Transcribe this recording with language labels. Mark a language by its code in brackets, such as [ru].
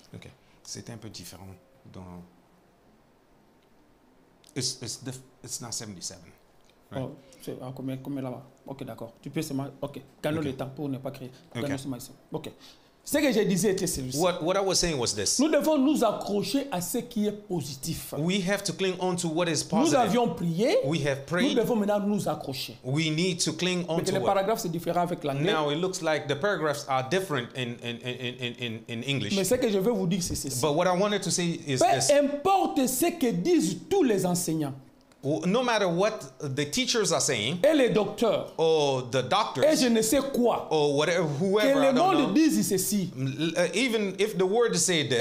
[fr] Ok, c'est un peu différent. Dans... [en] It's not 77. [fr] Oh, c'est combien là-bas? Ok, d'accord. Tu peux seulement. Ok. Gagnons le temps pour ne pas créer. Ok. Ce que je disais était celui-ci. [en] What I was saying was this. [fr] Nous devons nous accrocher à ce qui est positif. [en] We have to cling on to what is positive. [fr] Nous avions prié. [en] We have prayed. [fr] Nous devons maintenant nous accrocher. [en] We need to cling on to [fr] what. Le paragraphe c'est différent avec l'anglais. [en] Now it looks like the paragraphs are different in English. [fr] Mais ce que je veux vous dire c'est ceci. [en] But what I wanted to say is [fr] peu [en] this. [fr] Peu importe ce que disent tous les enseignants. [en] No matter what the teachers are saying, [fr] et les docteurs, [en] or the doctors, [fr] et je ne sais quoi, [en] or whatever, whoever, [fr] que [en] I don't know, [fr] disent ceci, [en] even if the word says this,